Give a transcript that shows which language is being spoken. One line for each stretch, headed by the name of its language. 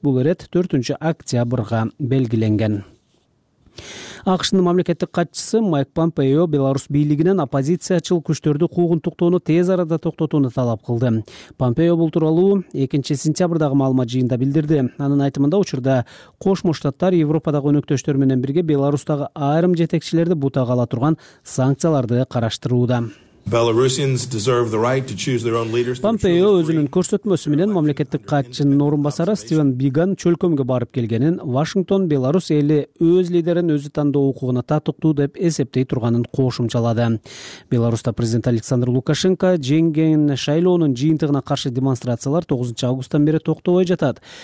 Kyrgyz: Бул ирет 4-октябрга белгиленген. АКШнын мамлекеттик катчысы Майк Помпео Беларусь бийлигинен оппозициячыл күчтөрдү куугунтуктоону тез арада токтотууну талап кылды. Помпео бул тууралуу 2-сентябрдагы маалымат жыйынында билдирди. Анын айтымында учурда Кошмо Штаттар Европадагы өнөктөштөр менен бирге Беларусьтагы айрым жетекчилерди бутага ала турган санкцияларды караштырууда.
English: Belarusians deserve the right to choose their own leaders.
Kyrgyz: Помпео өзүнүн көрсөтмөсү менен мамлекеттик катчынын орун басары Стивен Биган чөлкөмгө барып келгенин, Вашингтон Беларусь эли өз лидерин өзү тандоо укугуна татыктуу деп эсептей турганын кошумчалады. Беларусьта президент Александр Лукашенко жеңген шайлоонун жыйынтыгына каршы демонстрациялар 9 августтан бери токтобой жатат.